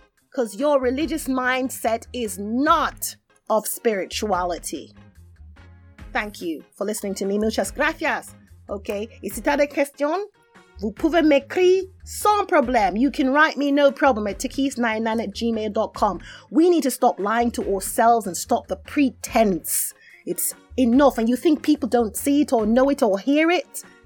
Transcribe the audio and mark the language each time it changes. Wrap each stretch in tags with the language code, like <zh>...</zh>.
<en>Because your religious mindset is not of spirituality. Thank you for listening to me.</en> <es>Muchas gracias.</es> <en>Okay.</en> <es>Y si tiene</es> <fr>question, vous pouvez m'écrire sans problème.</fr> <en>You can write me no problem at tikis99@gmail.com. We need to stop lying to ourselves and stop the pretense. It's enough, and you think people don't see it or know it or hear it?</en>